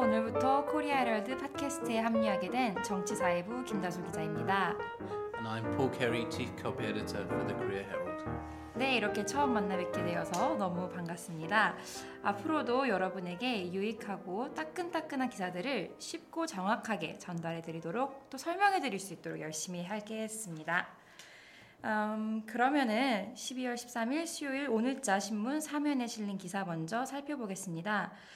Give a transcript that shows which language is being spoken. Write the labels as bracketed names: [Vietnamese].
[Korean] 오늘부터 코리아 헤럴드 팟캐스트에 합류하게 된 정치사회부 김다수 기자입니다. [English] And I'm Paul Carey, chief co-editor for the Korea Herald. [Korean] 네, 이렇게 처음 만나 뵙게 되어서 너무 반갑습니다. 앞으로도 여러분에게 유익하고 따끈따끈한 기사들을 쉽고 정확하게 전달해 드리도록 또 설명해 드릴 수 있도록 열심히 하겠습니다. 그러면은 12월 13일 수요일 오늘자 신문 3면에 실린 기사 먼저 살펴보겠습니다.